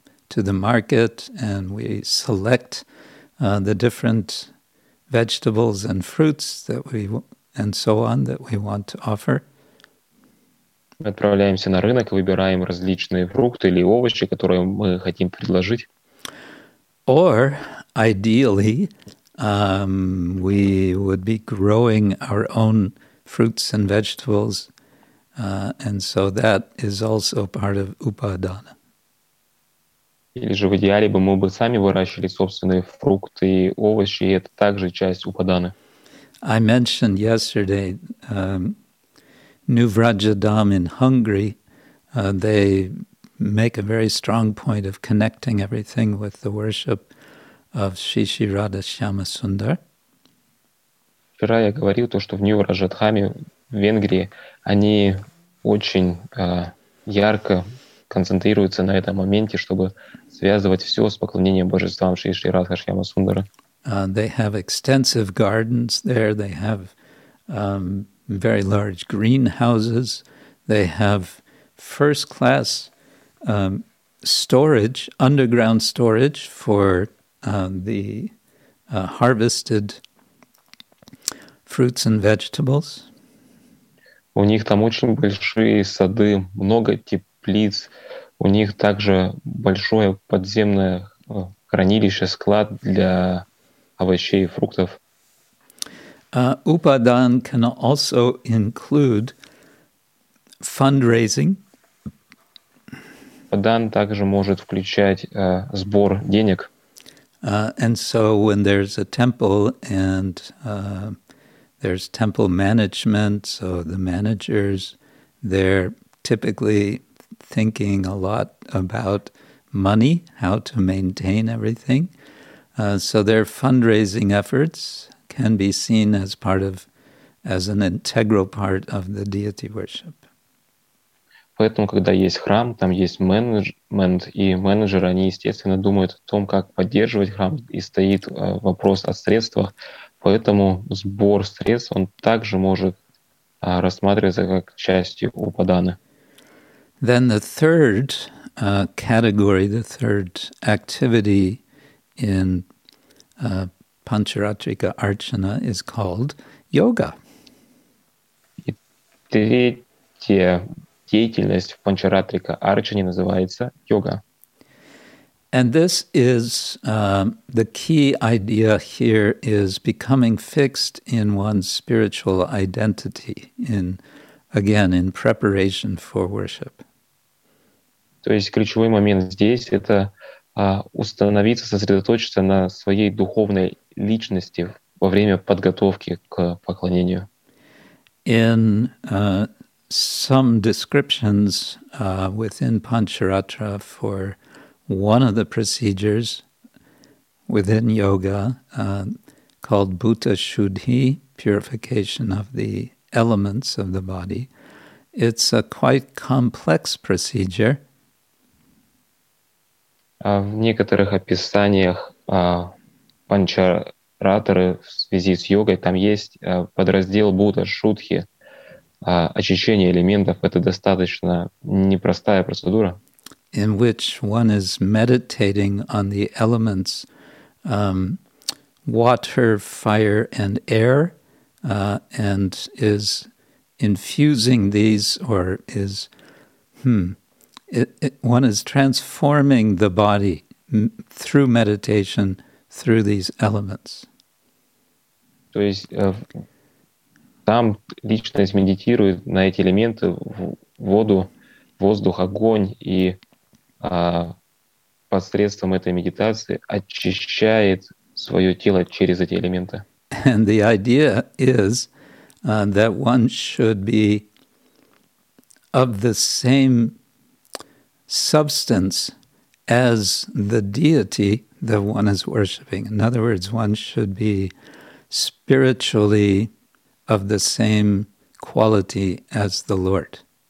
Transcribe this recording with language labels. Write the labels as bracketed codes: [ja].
[en] to the market and we select the different vegetables and fruits that we and so on that we want to offer. [ru] Мы отправляемся на рынок и выбираем различные фрукты или овощи, которые мы хотим предложить. [en] Or ideally, we would be growing our own fruits and vegetables, and so that is also part of upadana. [ru] Или же в идеале бы мы бы сами выращивали собственные фрукты и овощи, и это также часть упаданы. [en] I mentioned yesterday New Vrajadham in Hungary, they make a very strong point of connecting everything with the worship of Shri Shri Radha Shyama Sundar. [ru] Вчера я говорил то, что в New Vrajadham в Венгрии они очень ярко концентрируются на этом моменте, чтобы связывать все с поклонением божествам Шри Шри Радха Шьяма Сундара. [en] They have extensive gardens there. They have very large greenhouses. They have first-class storage, underground storage for the harvested fruits and vegetables. [ru] У них там очень большие сады, много теплиц. У них также большое подземное хранилище, склад для овощей и фруктов. [en] Upadan can also include fundraising. [ru] Upadan также может включать сбор денег. [en] And so when there's a temple and there's temple management, so the managers, they're typically thinking a lot about money, how to maintain everything. So their fundraising efforts can be seen as part of, as an integral part of the deity worship. [ru] Поэтому, когда есть храм, там есть менеджмент, и менеджеры, они, естественно, думают о том, как поддерживать храм, и стоит вопрос о средствах. Поэтому сбор средств, он также может рассматриваться как частью упаданы. [en] Then the third category, the third activity in Pancharatrika Archana is called yoga. [ru] И третья деятельность в Pancharatrika Archana называется йога. [en] And this is the key idea here is becoming fixed in one's spiritual identity, in again, in preparation for worship. [ru] То есть ключевой момент здесь — это установиться, сосредоточиться на своей духовной личности во время подготовки к поклонению. [en] In some descriptions within Pancharatra for one of the procedures within yoga called Bhuta Shuddhi, purification of the elements of the body, it's a quite complex procedure. [ru] В некоторых описаниях панчаратры в связи с йогой там есть подраздел Бхута Шудхи, очищение элементов. Это достаточно непростая процедура. [en] In which one is meditating on the elements water, fire and air and is infusing these or is... one is transforming the body through meditation, through these elements. [ru] То есть там личность медитирует на эти элементы, воду, воздух, огонь, и посредством этой медитации очищает свое тело через эти элементы. [en] And the idea is that one should be of the same substance as the deity that one is worshiping. In other words, one should be spiritually of the same quality as the Lord.